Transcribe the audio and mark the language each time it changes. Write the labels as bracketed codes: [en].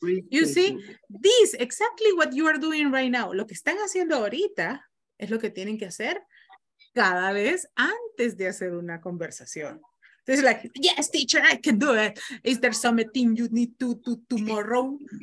[en] You see, this exactly what you are doing right now. [es] Lo que están haciendo ahorita es lo que tienen que hacer cada vez antes de hacer una conversación. [en] It's like, yes, teacher, I can do it. Is there something you need to do tomorrow?